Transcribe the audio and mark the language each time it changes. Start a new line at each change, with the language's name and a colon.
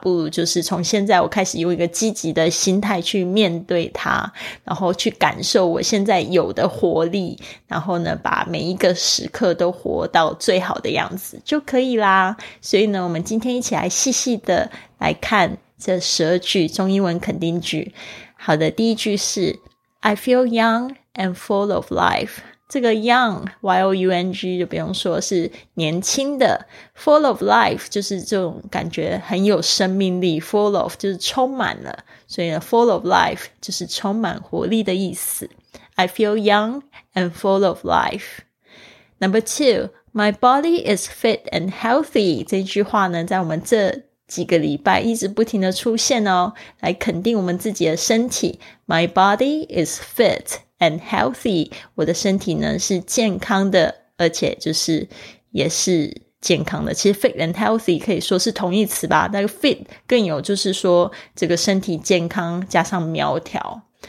Chinese: 不如就是从现在我开始用一个积极的心态去面对他，然后去感受我现在有的活力，然后呢把每一个时刻都活到最好的样子就可以啦。所以呢，我们今天一起来细细的来看这十二句中英文肯定句。好的，第一句是
English: I feel young and full of life。
Chinese: 这个 young, y-o-u-n-g 就不用说，是年轻的， full of life 就是这种感觉很有生命力， full of 就是充满了，所以呢 full of life 就是充满活力的意思。
English: I feel young and full of life. Number two, my body is fit and healthy.
Chinese: 这句话呢在我们这几个礼拜一直不停的出现哦，来肯定我们自己的身体。
English: My body is fit and healthy，
Chinese: 我的身体呢是健康的，而且就是也是健康的。其实 fit and healthy 可以说是同义词吧，那个 fit 更有就是说这个身体健康加上苗条。